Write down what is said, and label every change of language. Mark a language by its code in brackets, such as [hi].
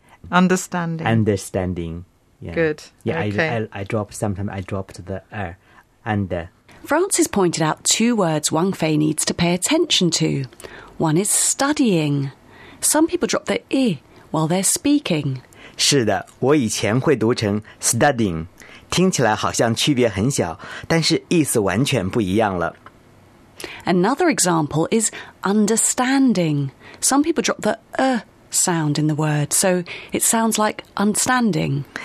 [en] Understanding. Understanding. Yeah. Good. Yeah, okay. I dropped the R and the. Francis pointed out two words Wang Fei needs to pay attention to. One is studying. Some people drop the I while they're speaking. [zh] 是的，我以前会读成 studying， 听起来好像区别很小，但是意思完全不一样了。 [en] Another example is understanding. Some people drop the R sound in the word, so it sounds like understanding.